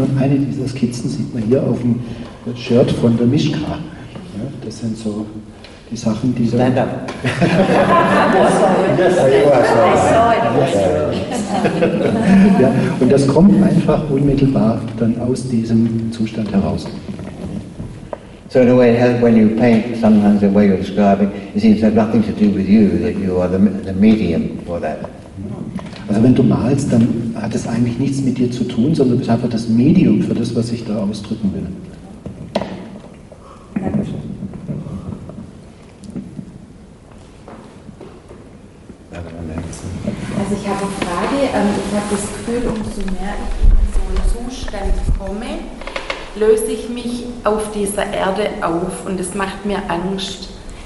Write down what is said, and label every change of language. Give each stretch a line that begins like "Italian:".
German: Und eine dieser Skizzen sieht man hier auf dem Shirt von der Mischka. Ja, das sind so die Sachen, die...
English: Stand up. I saw it.
German: Und das kommt einfach unmittelbar dann aus diesem Zustand heraus.
English: So in a way, when you paint, sometimes the way you're describing, it seems to have nothing to do with you, that you are the medium for that.
German: Also wenn du malst, dann hat es eigentlich nichts mit dir zu tun, sondern du bist einfach das Medium für das, was ich da ausdrücken will. Also ich habe eine Frage, ich habe das Gefühl, umso mehr ich in so einen Zustand komme, löse ich mich auf dieser Erde auf und es macht mir Angst.